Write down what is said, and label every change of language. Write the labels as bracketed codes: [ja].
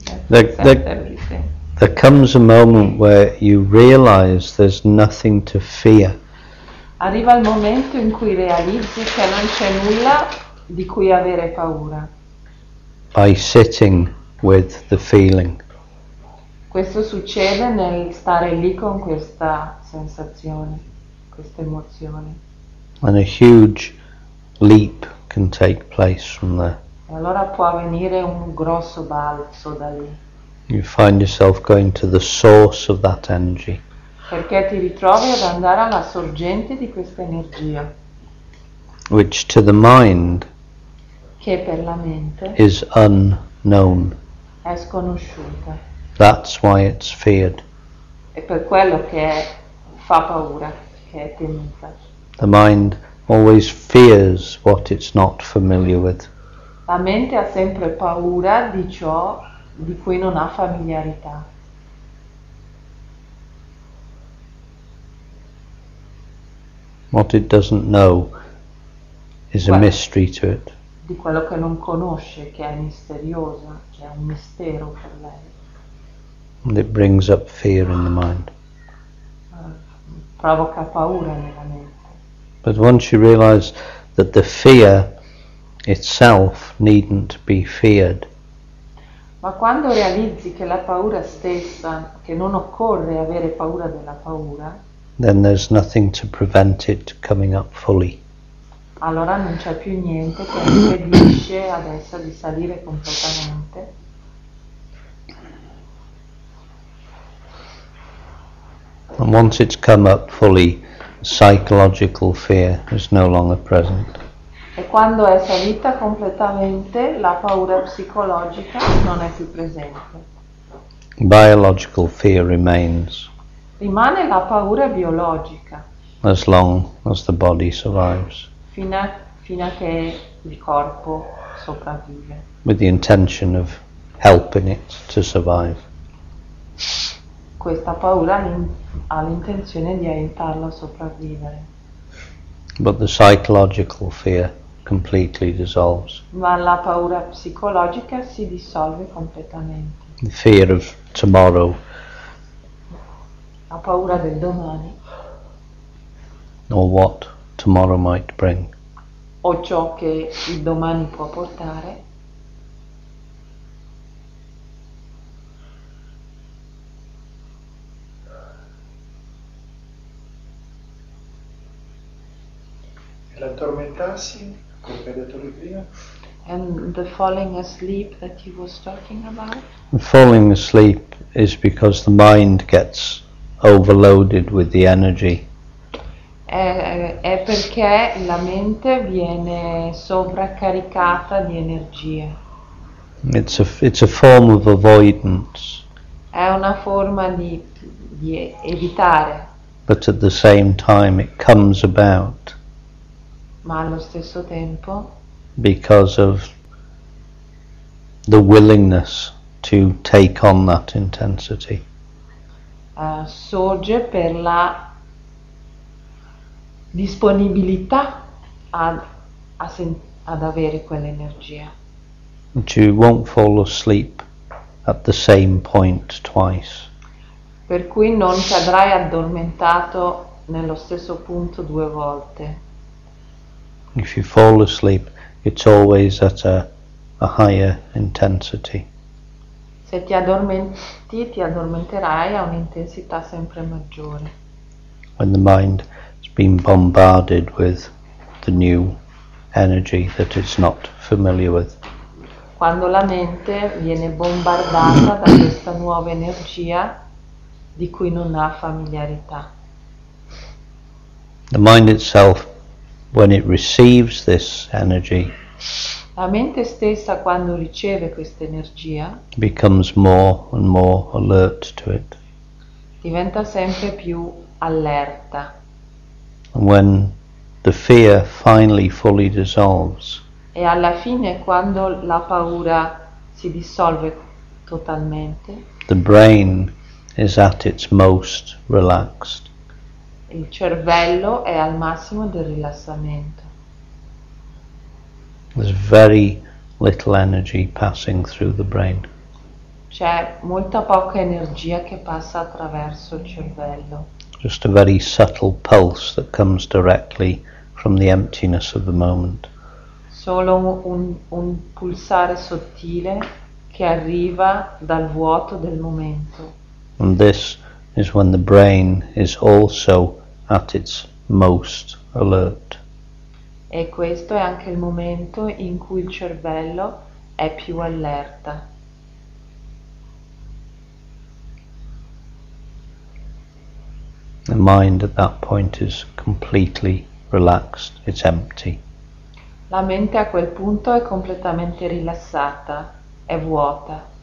[en] There comes a moment where you realize there's nothing to fear. [it] Arriva il momento in cui realizzi che non c'è nulla di cui avere paura. [en] By sitting with the feeling. [it] Questo succede nel stare lì con questa sensazione, questa emozione. [en] And a huge leap can take place from there. [it] E allora può avvenire un grosso balzo da lì. [en] You find yourself going to the source of that energy. [it] Perché ti ritrovi ad andare alla sorgente di questa energia. [en] Which to the mind, [it] che per la mente, [en] is unknown. [it] È sconosciuta. [en] That's why it's feared. [it] È per quello che fa paura, che è temuta. [en] The mind always fears what it's not familiar with. [it] La mente ha sempre paura di ciò di cui non ha familiarità. [en] What it doesn't know is a mystery to it. [it] Di quello che non conosce, che è misteriosa, che è un mistero per lei. [en] And it brings up fear in the mind. [it] Provoca paura nella mente. [en] But once you realize that the fear itself needn't be feared. [it] Ma quando realizzi che la paura stessa, che non occorre avere paura della paura, [en] then there's nothing to prevent it coming up fully. [it] Allora non c'è più niente che impedisce adesso di salire completamente. [en] And once it's come up fully, psychological fear is no longer present. [it] E quando è salita completamente, la paura psicologica non è più presente. [en] Biological fear remains. [it] Rimane la paura biologica. [en] As long as the body survives. [it] Fino a che il corpo sopravvive. [en] With the intention of helping it to survive. [it] Questa paura ha l'intenzione di aiutarlo a sopravvivere. [en] But the psychological fear completely dissolves. [it] Ma la paura psicologica si dissolve completamente. [en] The fear of tomorrow. [it] La paura del domani. [en] Or what tomorrow might bring. [it] O ciò che il domani può portare. L'addormentarsi, come hai detto lui prima. [en] And the falling asleep that he was talking about. The falling asleep is because the mind gets overloaded with the energy. [it] È perché la mente viene sovraccaricata di energia. [en] It's a form of avoidance. [it] È una forma di evitare. [en] But at the same time it comes about. [it] Ma allo stesso tempo, [en] because of the willingness to take on that intensity, [it] sorge per la disponibilità ad avere quell'energia. [en] But you won't fall asleep at the same point twice. [it] Per cui non cadrai addormentato nello stesso punto due volte. [en] If you fall asleep, it's always at a higher intensity. [it] Se ti addormenti, ti addormenterai a un'intensità sempre maggiore. [en] When the mind has been bombarded with the new energy that it's not familiar with. [it] Quando la mente viene bombardata da questa nuova energia di cui non ha familiarità. [en] The mind itself, when it receives this energy, [it] La mente stessa, quando riceve questa energia, [en] becomes more and more alert to it. [it] Diventa sempre più allerta. [en] And when the fear finally fully dissolves, [it] e alla fine, quando la paura si dissolve totalmente, [en] the brain is at its most relaxed. [it] Il cervello è al massimo del rilassamento. [en] There's very little energy passing through the brain. [it] C'è molta poca energia che passa attraverso il cervello. [en] Just a very subtle pulse that comes directly from the emptiness of the moment. [it] Solo un pulsare sottile che arriva dal vuoto del momento. [en] And this is when the brain is also at its most alert. [it] E questo è anche il momento in cui il cervello è più allerta. [en] The mind at that point is completely relaxed, it's empty. [it] La mente a quel punto è completamente rilassata, è vuota.